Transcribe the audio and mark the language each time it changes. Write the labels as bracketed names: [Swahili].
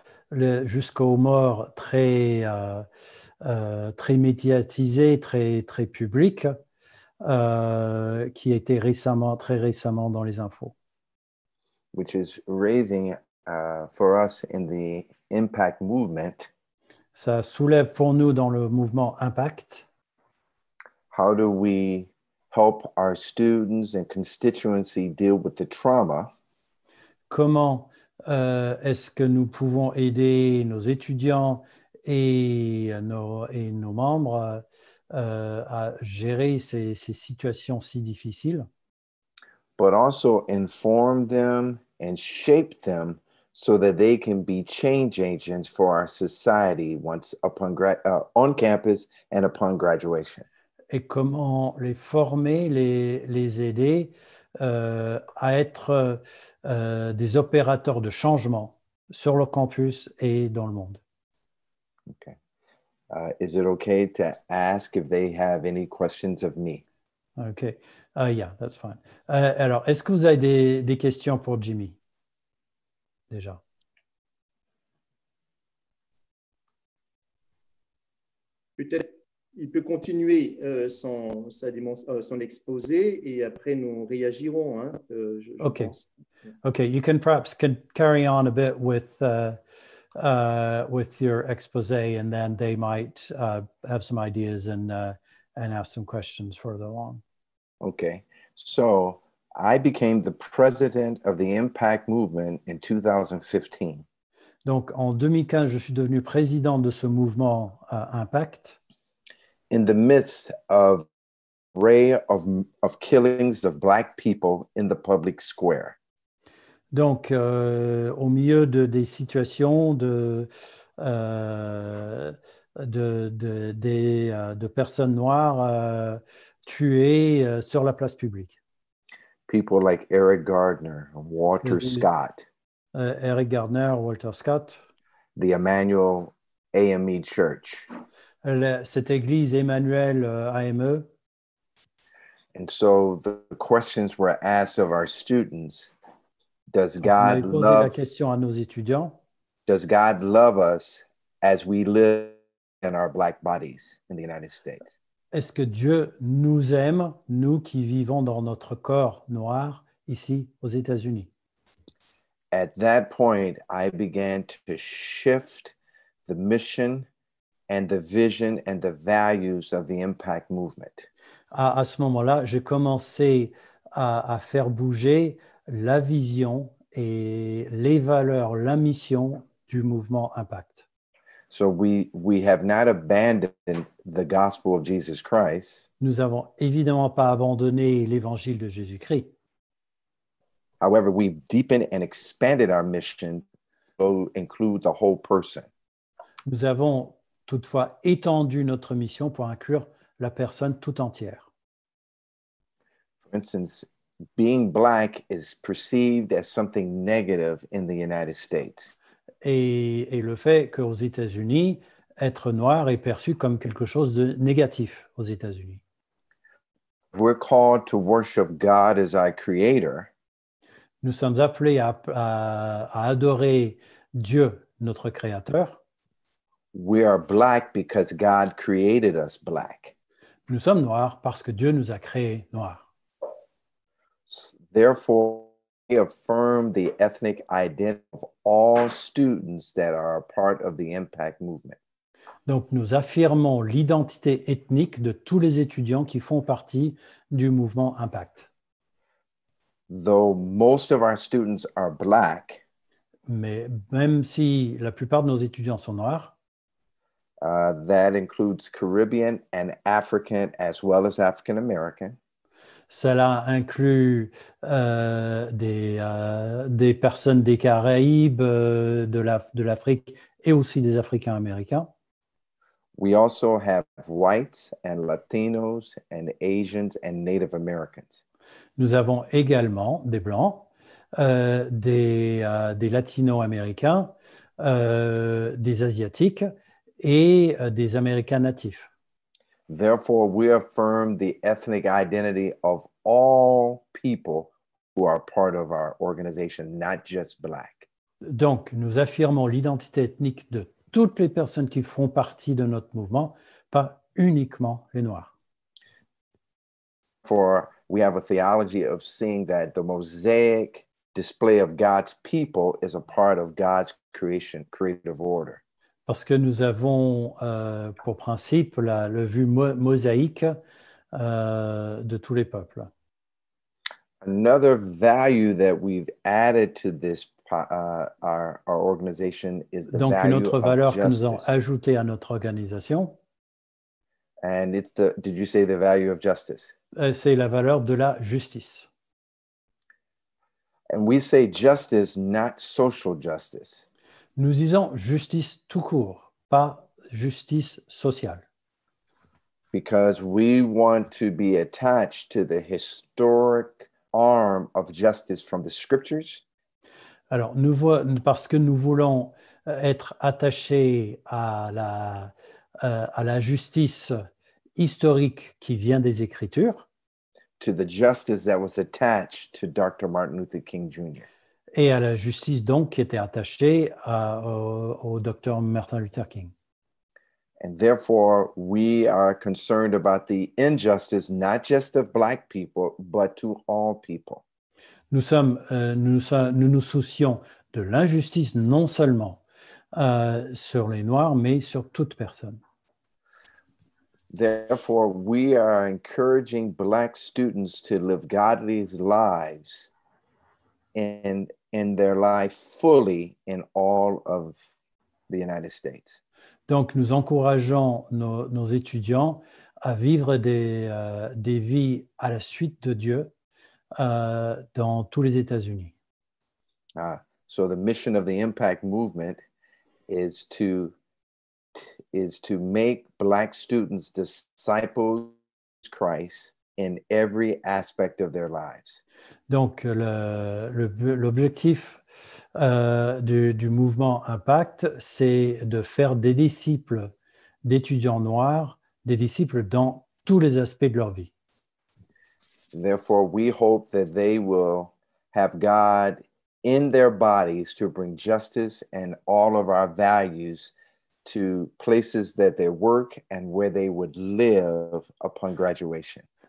[French] Jusqu'aux morts très très médiatisées, très publiques, qui étaient très récemment dans les infos. [English] Which is raising for us in the Impact movement. [French] Ça soulève pour nous dans le mouvement Impact. [English] How do we help our students and constituency deal with the trauma? [French] Comment est-ce que nous pouvons aider nos étudiants et nos membres à gérer ces situations si difficiles? [English] But also inform them and shape them so that they can be change agents for our society once upon on campus and upon graduation. [French] Et comment les former, les aider à être des opérateurs de changement sur le campus et dans le monde. [English] Okay. Is it okay to ask if they have any questions of me? Okay. Yeah, that's fine. [French] Alors, est-ce que vous avez des questions pour Jimmy? Déjà. Peut-être. Il peut continuer son exposé et après nous réagirons. Hein, okay. [English] Okay, you can perhaps carry on a bit with your exposé and then they might have some ideas and ask some questions further along. Okay. So I became the president of the Impact Movement in 2015. [French] Donc en 2015, je suis devenu président de ce mouvement Impact. [English] In the midst of array of killings of black people in the public square. [French] Donc au milieu de des situations de personnes noires tuées sur la place publique. [English] People like Eric Gardner, Walter Scott. Eric Gardner, Walter Scott. The Emmanuel AME Church. [French] Cette église Emmanuel AME. [English] And so the questions were asked of our students. Does God love? [French] La question à nos étudiants. [English] Does God love us as we live in our black bodies in the United States? [French] Est-ce que Dieu nous aime, nous qui vivons dans notre corps noir ici aux États-Unis? [English] At that point, I began to shift the mission and the vision and the values of the Impact Movement. [French] À ce moment-là, j'ai commencé à faire bouger la vision et les valeurs, la mission du mouvement Impact. [English] So we have not abandoned the gospel of Jesus Christ. [French] Nous avons évidemment pas abandonné l'évangile de Jésus-Christ. [English] However, we've deepened and expanded our mission to include the whole person. [French] Nous avons toutefois étendu notre mission pour inclure la personne tout entière. [English] For instance, being black is perceived as something negative in the United States. [French] Et le fait qu'aux États-Unis, être noir est perçu comme quelque chose de négatif aux États-Unis. [English] We're called to worship God as our creator. [French] Nous sommes appelés à adorer Dieu, notre créateur. [English] We are black because God created us black. [French] Nous sommes noirs parce que Dieu nous a créés noirs. [English] Therefore, we affirm the ethnic identity of all students that are a part of the Impact Movement. [French] Donc, nous affirmons l'identité ethnique de tous les étudiants qui font partie du mouvement Impact. [English] Though most of our students are black, [French] mais même si la plupart de nos étudiants sont noirs, [English] that includes Caribbean and African as well as African American. [French] Cela inclut des personnes des Caraïbes, de l'Afrique et aussi des Africains américains. [English] We also have whites and Latinos and Asians and Native Americans. [French] Nous avons également des blancs, des latino-américains, des asiatiques et des américains natifs. [English] Therefore, we affirm the ethnic identity of all people who are part of our organization, not just black. [French] Donc, nous affirmons l'identité ethnique de toutes les personnes qui font partie de notre mouvement, pas uniquement les Noirs. [English] For we have a theology of seeing that the mosaic display of God's people is a part of God's creation, creative order. [French] Parce que nous avons pour principe la vue mosaïque de tous les peuples. [English] Another value that we've added to this our organization is the value of justice. [French] Donc une autre valeur que nous avons ajoutée à notre organisation. [English] And it's the did you say the value of justice? [French] C'est la valeur de la justice. [English] And we say justice, not social justice. [French] Nous disons justice tout court, pas justice sociale. [English] Because we want to be attached to the historic arm of justice from the scriptures. [French] Alors, parce que nous voulons être attachés à la justice historique qui vient des Écritures. [English] To the justice that was attached to Dr. Martin Luther King Jr. [French] Et à la justice, donc, qui était attachée au Dr. Martin Luther King. [English] And therefore, we are concerned about the injustice, not just of black people, but to all people. [French] Nous nous soucions de l'injustice, non seulement sur les Noirs, mais sur toute personne. [English] Therefore, we are encouraging Black students to live godly lives and in their life fully in all of the United States. [French] Donc, nous encourageons nos étudiants à vivre des vies à la suite de Dieu dans tous les États-Unis. [English] Ah, so the mission of the Impact Movement is to make Black students disciples of Christ in every aspect of their lives. [French] Donc, l'objectif du mouvement Impact, c'est de faire des disciples d'étudiants noirs, des disciples dans tous les aspects de leur vie. [English] Therefore, we hope that they will have God in their bodies to bring justice and all of our values to places that they work and where they would live upon graduation.